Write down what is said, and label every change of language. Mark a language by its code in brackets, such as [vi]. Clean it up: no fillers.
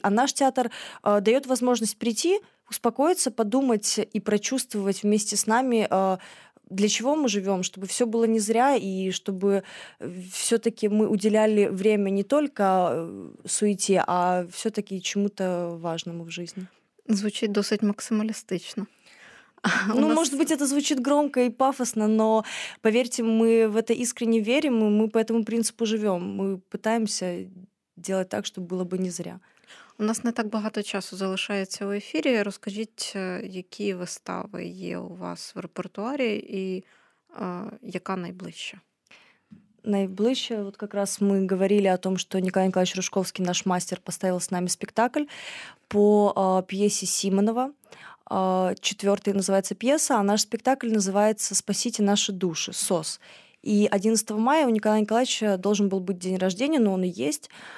[ru] А наш театр дает возможность прийти, успокоиться, подумать и прочувствовать вместе с нами, для чего мы живем, чтобы все было не зря, и чтобы все-таки мы уделяли время не только суете, а все-таки чему-то важному в жизни. Звучит досить максималистично. Ну, нас... может быть, это звучит громко и пафосно, но поверьте, мы в это искренне верим, и мы по этому принципу живем. Мы пытаемся делать так, чтобы было бы не зря. [uk] У нас не так багато часу залишається в ефірі. Розкажіть, які вистави є у вас в репертуарі і яка найближча? [ru] Найближче, вот как раз мы говорили о том, что Николай Николаевич Рушковский, наш мастер, поставил с нами спектакль по пьесе Симонова. Четвертый называется пьеса, а наш спектакль называется «Спасите наши души», «СОС». И 11 мая у Николая Николаевича должен был быть день рождения, но он и есть.